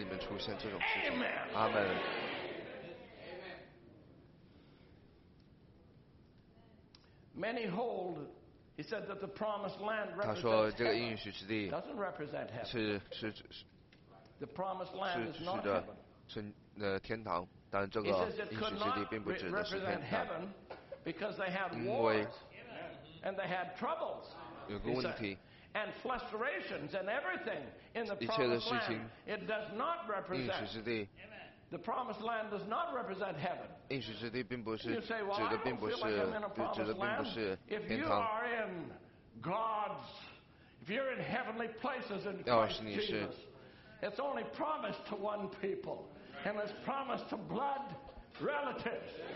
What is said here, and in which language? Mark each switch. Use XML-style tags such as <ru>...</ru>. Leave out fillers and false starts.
<zh>这可能在外面是这个样子，但是在这里不会像这个样子。或许有些人在有些人家里面，但是这不会在我们的家庭里面，在我们的生命里面出现这种事情。阿门。</zh> <en>Many hold, he said that the promised land represents heaven. Doesn't represent heaven.</en> <zh>是</zh> <en>the promised land is not heaven.</en> <zh>是天堂, 但这个应许之地并不指的是天堂。</zh> <en>Because they had wars and they had troubles.</en> <zh>有个问题。</zh> <en>And frustrations and everything in the promised land. It does not represent.</en> <zh>应许之地。</zh> <en>The promised land does not represent heaven.</en> <zh>应许之地并不是,</zh> <en>you say, well, I don't feel like I'm in a promised land. If you are in God's, if you're in heavenly places in Christ Jesus, it's only promised to one people, and it's promised to blood relatives.</en>